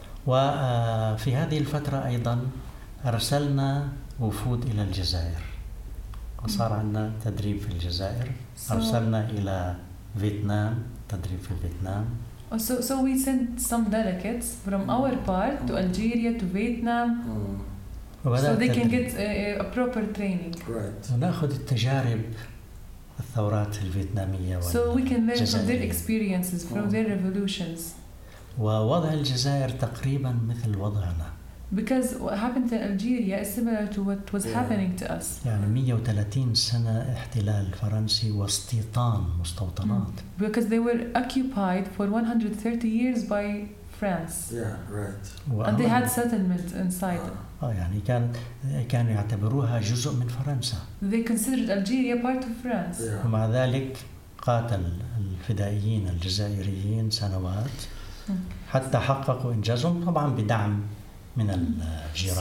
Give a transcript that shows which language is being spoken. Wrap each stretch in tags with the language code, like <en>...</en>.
<ar>وفي هذه الفترة أيضا أرسلنا وفود إلى الجزائر. وصار عندنا تدريب في الجزائر. أرسلنا إلى فيتنام تدريب في فيتنام.</ar> <en>So we sent some delegates from our part to Algeria, to Vietnam, so they can get a proper training. Right.</en> <ar>وناخذ التجارب الثورات الفيتنامية.</ar> <en>So we can learn from their experiences, from their revolutions.</en> <ar>ووضع الجزائر تقريبا مثل وضعنا.</ar> <en>Because what happened in Algeria is similar to what was happening to us.</en> <ar>يعني 130 سنة احتلال فرنسي واستيطان مستوطنات.</ar> <en>Because they were occupied for 130 years by France. Yeah, right. And they had settlement inside.</en> <ar>يعني كانوا يعتبروها جزء من فرنسا.</ar> <en>They considered Algeria part of France. Yeah.</en> <ar>ومع ذلك قاتل الفدائيين الجزائريين سنوات حتى حققوا إنجازهم طبعا بدعم من الجيران.</ar>